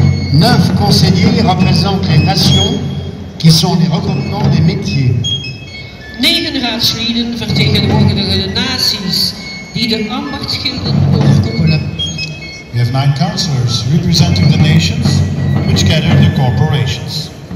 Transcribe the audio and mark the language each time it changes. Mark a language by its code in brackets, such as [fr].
[fr] Neuf conseillers représentent les nations qui sont les regroupements des métiers. [nl] Negen raadslieden vertegenwoordigen de naties die de ambachtsgilden overkoepelen. [en] We have nine councillors representing the nations which gather the corporations.